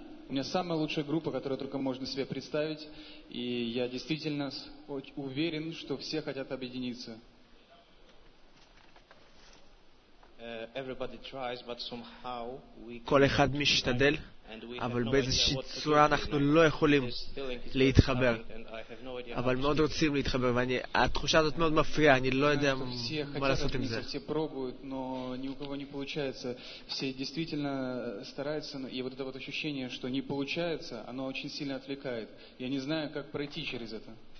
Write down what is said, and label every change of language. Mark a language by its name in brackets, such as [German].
[Russian] У меня самая лучшая группа, которую только можно себе представить, и я действительно уверен, что все хотят объединиться. [English] Everybody tries, but somehow we [Hebrew] כל אחד משתדל, אבל באיזושהי צורה אנחנו לא יכולים להתחבר, אבל מאוד רוצים להתחבר, והתחושה הזאת מאוד מפריעה, אני לא יודע מה לעשות עם זה. [Russian] Все пробуют, но ни у кого не получается. Все действительно стараются, и вот это вот ощущение, что не получается, оно очень сильно отвлекает. Я не знаю, как пройти через это.